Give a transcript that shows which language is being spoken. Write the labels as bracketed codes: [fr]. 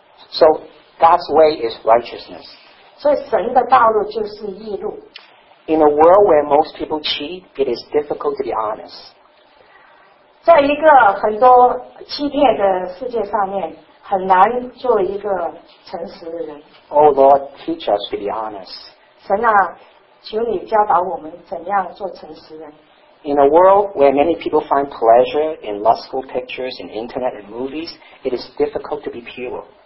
[en] So God's way is righteousness. [zh] 所以神的道路就是义路。 [en] In a world where most people cheat, it is difficult to be honest. [zh] 在一个很多欺骗的世界上面，很难做一个诚实的人。 [en] Oh Lord, teach us to be honest. [zh] 神啊，求你教导我们怎样做诚实人。 [en] In a world where many people find pleasure in lustful pictures, in internet and movies, it is difficult to be pure.